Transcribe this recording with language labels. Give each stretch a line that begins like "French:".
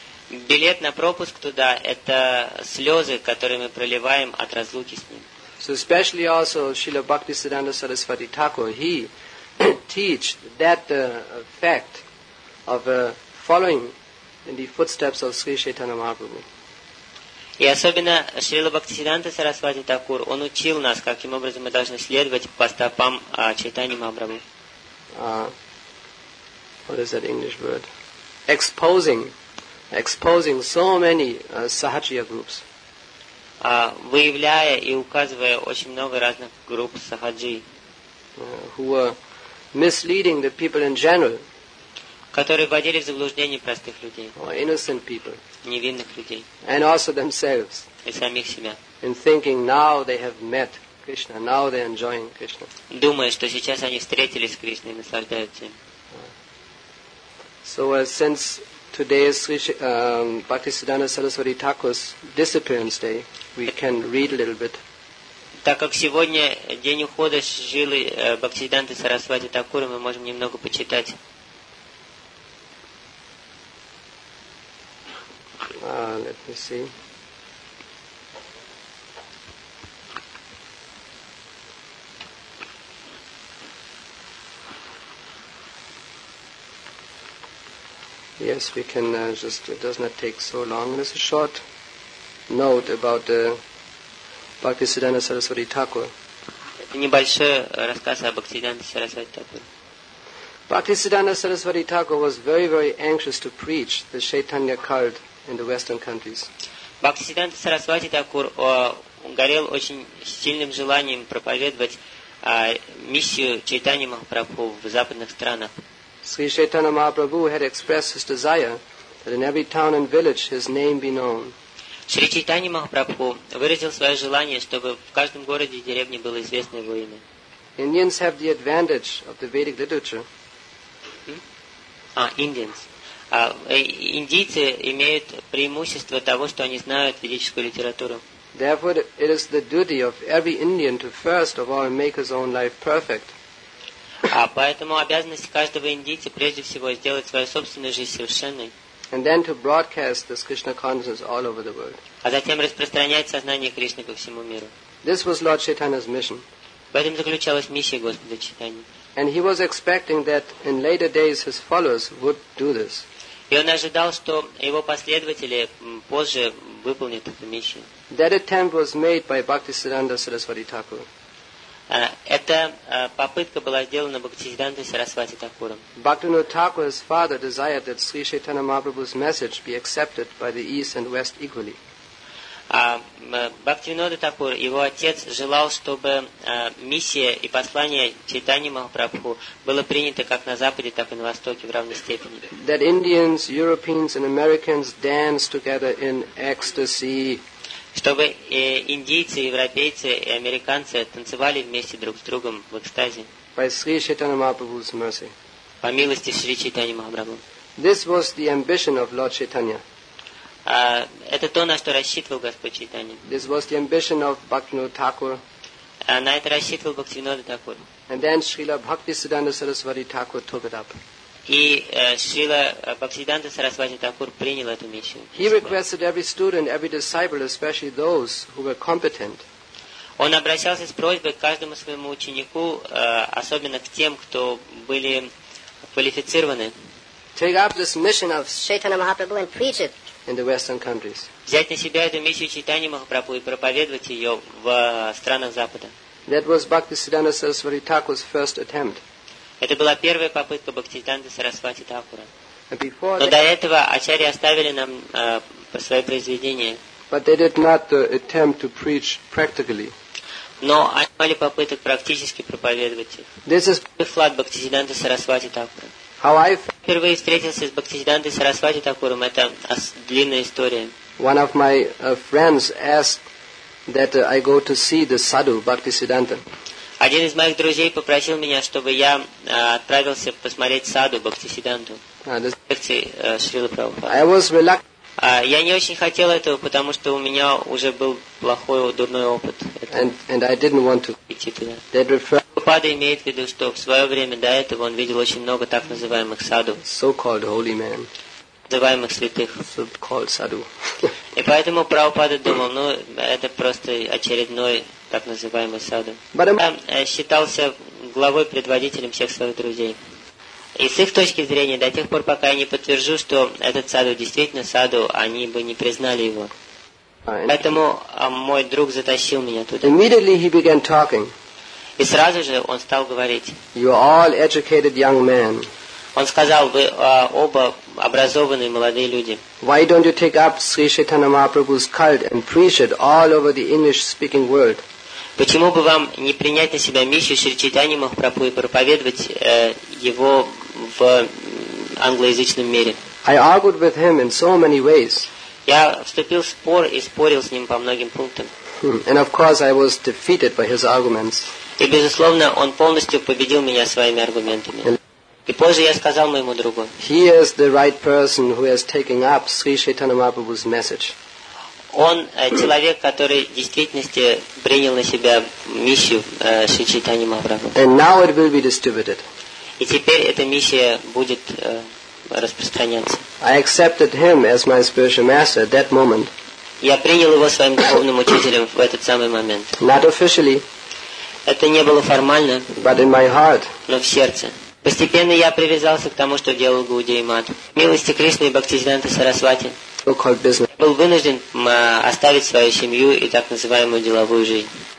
Russian: Билет на пропуск туда – это слезы, которые мы проливаем от разлуки с Ним.
English: So especially also Srila Bhaktisiddhanta Sarasvati Thakur, he teach that fact of following in the footsteps of Sri Chaitanya Mahaprabhu.
Russian: И особенно Шрила Бхактисиддханта Сарасвати Такур, он учил нас, каким образом мы должны следовать по стопам Чайтани Махапрабху.
English: What is that English word? Exposing so many sahachariya groups.
Russian: Выявляя и указывая очень много разных групп сахаджи.
English: Who were misleading the people in general.
Russian: Которые вводили в заблуждение простых людей.
English: Or innocent people.
Russian: Невинных людей.
English: And also themselves.
Russian: И самих себя.
English: In thinking now they have met Krishna, now they are enjoying Krishna.
Russian: Думая, что сейчас они встретились с Кришной и наслаждаются им.
English: So since today is Bhaktisiddhanta Sarasvati Thakur's disappearance day, we can read a little bit.
Russian: Так как сегодня день ухода Шрилы Бхактисиддханты Сарасвати Такура, мы можем немного почитать.
English: Let me see. Yes, we can just, it does not take so long. There's a short note about the Bhaktisiddhanta Sarasvati Thakur.
Russian: Это небольшой рассказ о Бхактисиддханте Сарасвати Такур.
English: Bhaktisiddhanta Sarasvati Thakur was very, very anxious to preach the Chaitanya cult in the Western countries.
Russian: Бхактисиддханта Сарасвати Такур горел очень сильным желанием проповедовать миссию Чайтанья Махапрабху в западных странах.
English: Sri Chaitanya Mahaprabhu had expressed his desire that in every town and village his name be known.
Russian: Sri Chaitanya Mahaprabhu выразил свое желание, чтобы в каждом городе и деревне было известно его имя.
English: Indians have the advantage of the Vedic literature. Indians.
Russian: Индийцы имеют преимущество того, что они знают ведическую литературу.
English: Therefore, it is the duty of every Indian to first of all make his own life perfect.
Russian: Поэтому обязанность каждого индийца прежде всего сделать свою собственную жизнь совершенной.
English: And then to broadcast this Krishna consciousness all over the world.
Russian: А затем распространять сознание Кришны по всему миру.
English: This was Lord Chaitanya's mission.
Russian: В этом заключалась миссия Господа Читания.
English: And he was expecting that in later days his followers would do this.
Russian: И он ожидал, что его последователи позже выполнят эту миссию.
English: That attempt was made by Bhaktisiddhanta Saraswati Thakur.
Russian: Эта попытка была сделана Бхактисиддханта Сарасвати Такуром.
English: Bhaktivinoda Thakur's father desired that Sri Chaitanya Mahaprabhu's message be accepted by the East and West equally.
Russian: Бхактивинода Такур, его отец, желал, чтобы миссия и послание Чайтаньи Махапрабху было принято как на Западе, так и на Востоке в равной степени.
English: That Indians, Europeans and Americans dance together in ecstasy.
Russian: Чтобы индийцы, европейцы и американцы танцевали вместе друг с другом в экстазе.
English: By Sri Chaitanya Mahaprabhu's mercy.
Russian: По милости Шри Чайтаньи Махапрабху.
English: This was the ambition of Lord Chaitanya.
Russian: Это то, на что рассчитывал Господь Чайтанья.
English: This was the ambition of Bhaktivinoda Thakur.
Russian: На это рассчитывал Бхактивинода Такур.
English: And then Srila Bhaktisiddhanta Saraswati Thakur took it up.
Russian: И Шрила Бхактисиддханта Сарасвати Такур принял эту миссию.
English: He requested every student, every disciple, especially those who were competent.
Russian: Он обращался с просьбой к каждому своему ученику, особенно к тем, кто были квалифицированы.
English: Take up this mission of Chaitanya Mahaprabhu and preach it in the Western countries.
Russian: Взять на себя эту миссию Чайтаньи Махапрабху и проповедовать ее в странах Запада.
English: That was Bhaktisiddhanta Saraswati Thakur's first attempt.
Russian: Это была первая попытка Бхактисиддханты Сарасвати Такура. Но до этого ачарьи оставили нам свои произведения.
English: But they did not attempt to preach practically.
Russian: Но они имели попыток практически проповедовать их.
English: This is
Russian: вклад Бхактисиддханты Сарасвати Такура.
English: How I
Russian: впервые встретился с Бхактисиддхантой Сарасвати Такуром, это длинная история.
English: One of my friends asked that I go to see the sadhu Bhaktisiddhanta.
Russian: Один из моих друзей попросил меня, чтобы я отправился посмотреть саду Бхактисиддханту. Я не очень хотел этого, потому что у меня уже был плохой, дурной опыт.
English: And I didn't want to
Russian: идти туда. Прабхупада имеет в виду, что в свое время до этого он видел очень много так называемых саду.
English: So-called holy man.
Russian: Называемых святых.
English: So-called sadhu.
Russian: И поэтому Прабхупада думал, ну, это просто очередной так называемый саду. Я считался главой, предводителем всех своих друзей. И с их точки зрения, до тех пор, пока я не подтвержу, что этот саду действительно саду, они бы не признали его. Поэтому мой друг затащил меня туда.
English: Immediately he began talking.
Russian: И сразу же он стал говорить.
English: You are all educated young men.
Russian: Он сказал, вы оба образованные молодые люди.
English: Why don't you take up Sri Chaitanya Mahaprabhu's cult and preach it all over the English-speaking world?
Russian: Почему бы вам не принять на себя миссию Шри Чайтаньи Махапрабху и проповедовать его в англоязычном мире?
English: I argued with him in so many ways.
Russian: Я вступил в спор и спорил с ним по многим пунктам.
English: And of course I was defeated by his arguments.
Russian: И, безусловно, он полностью победил меня своими аргументами. И позже я сказал моему другу.
English: He is the right person who has taken up Sri Chaitanya Mahaprabhu's message.
Russian: Он человек, который в действительности принял на себя миссию Шри Чайтаньи Махапрабху.
English: And now it will be distributed.
Russian: И теперь эта миссия будет распространяться.
English: I accepted him as my spiritual master at that moment.
Russian: Я принял его своим духовным учителем в этот самый момент.
English: Not officially.
Russian: Это не было формально.
English: But in my heart.
Russian: Но в сердце. Постепенно я привязался к тому, что делал Гаудия Мат. Милости Кришны и Бхактисиддханта Сарасвати. Я был вынужден оставить свою семью и так называемую деловую жизнь.